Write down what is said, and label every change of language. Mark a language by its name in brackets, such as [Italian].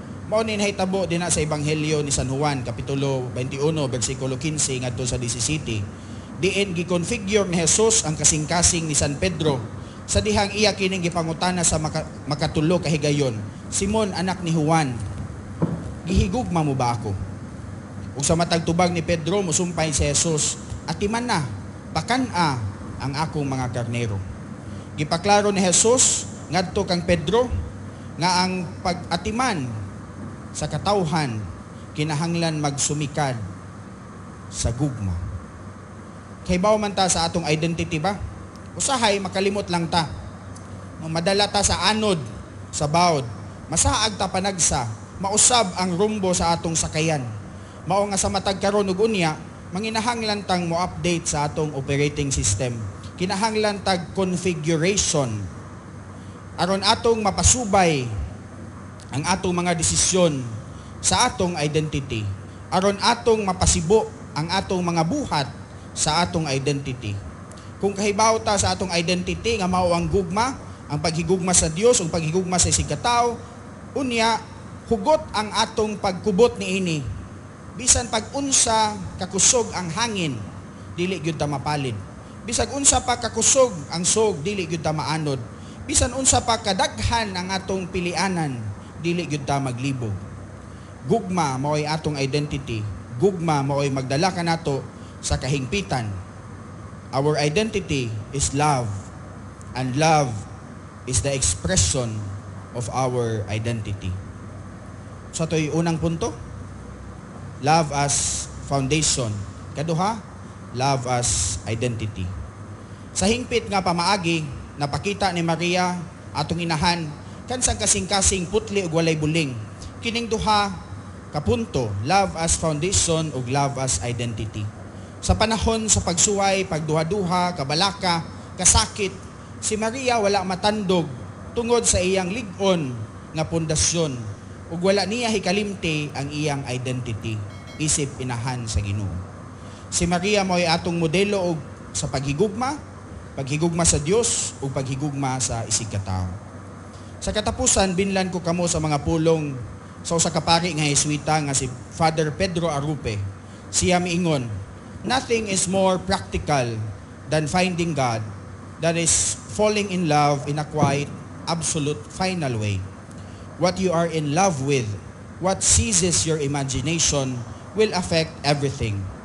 [Cebuano] Maunin haytabo din na sa Ebanghelyo ni San Juan, Kapitulo 21, Versikulo 15, nga doon sa 17. Diin gi-configure ni Jesus ang kasing-kasing ni San Pedro Sa dihang iya kining gipangutana sa makatulo ka higayon, Simon anak ni Juan, gihigugma mo ba ako? Ug sa matag tubag ni Pedro musumpay si Jesus, atiman na pakan-a ang akong mga karnero. Gipaklaro ni Jesus ngadto kang Pedro nga ang pag-atiman sa katawhan kinahanglan magsumikad sa gugma. Kay bawo man ta sa atong identity ba? Usahay makalimot lang ta. Madala ta sa anod, sa baod. Masaag ta panagsa, mausab ang rumbo sa atong sakayan. Mao nga sa matag karon ug unya, manginahanglan tang mo-update sa atong operating system. Kinahanglan tag configuration. Aron atong mapasubay ang atong mga desisyon sa atong identity. Aron atong mapasibo ang atong mga buhat sa atong identity. Kung kahibaw ta sa atong identity nga mao ang gugma, ang paghigugma sa Dios ug paghigugma sa sigkatao, unya hugot ang atong pagkubot niini. Bisan pag unsa kakusog ang hangin, dili gyud ta mapalid. Bisag unsa pa kakusog ang sog, dili gyud ta maanod. Bisan unsa pa kadaghan ang atong pilianan, dili gyud ta maglibog. Gugma maoy atong identity. Gugma maoy magdala ka nato sa kahingpitan. [English] Our identity is love, and love is the expression of our identity. [Cebuano] So ito'y unang punto, [English] love as foundation. [Cebuano] Kaduha, [English] love as identity. [Cebuano] Sa hingpit nga pamaagi, napakita ni Maria atong inahan, kansang kasing-kasing putli ug walay buling. Kining duha kapunto, [English] love as foundation [Cebuano] ug [English] love as identity. [Cebuano] Sa panahon sa pagsuway, pagduha-duha, kabalaka, kasakit, si Maria wala matandog tungod sa iyang ligon nga pundasyon ug wala niya hikalimti ang iyang identity isip inahan sa Ginoo. Si Maria mo'y atong modelo og sa paghigugma, paghigugma sa Dios ug paghigugma sa isigkatao. Sa katapusan, binlan ko kamo sa mga pulong sa usa ka pari nga Hesuita nga si Father Pedro Arupe. Siya miingon, [English] nothing is more practical than finding God, that is falling in love in a quiet, absolute, final way. What you are in love with, what seizes your imagination, will affect everything.